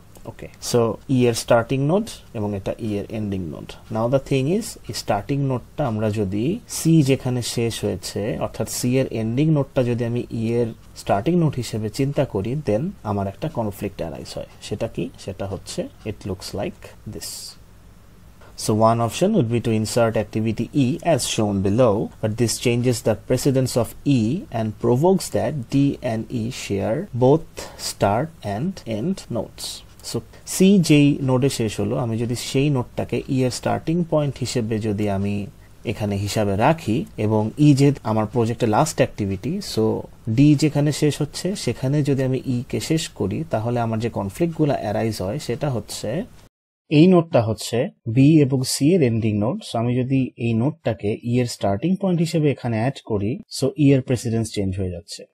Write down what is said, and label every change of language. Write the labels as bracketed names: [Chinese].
[Bangla] ওকে, so ই এর starting node এবং এটা ই এর ending node. [English] now the thing is, [Bangla] এই স্টার্টিং নোডটা আমরা যদি সি যেখানে শেষ হয়েছে, অর্থাৎ সি এর এন্ডিং নোডটা যদি আমি ই এর স্টার্টিং নোড হিসেবে চিন্তা করি, দেন আমার একটা কনফ্লিক্ট অ্যারাইজ হয়। সেটা কি? সেটা হচ্ছে [English] It looks like this. So one option would be to insert activity E as shown below, but this changes the precedence of E and provokes that D and E share both start and end nodes. [Bangla] So C যেই নোডে শেষ হলো, আমি যদি সেই নোডটাকে ই এর starting point হিসেবে যদি আমি এখানে হিসাবে রাখি, এবং ই যে আমার প্রজেক্টের লাস্ট অ্যাক্টিভিটি, সো ডি যেখানে শেষ হচ্ছে সেখানে যদি আমি ই কে শেষ করি, তাহলে আমার যে কনফ্লিক্টগুলো অ্যারাইজ হয় সেটা হচ্ছে এই নোডটা হচ্ছে বি এবং সি এর এন্ডিং নোড, সো আমি যদি এই নোডটাকে ই এর স্টার্টিং পয়েন্ট হিসেবে এখানে অ্যাড করি, সো ই এর প্রেসিডেন্স চেঞ্জ হয়ে যাচ্ছে।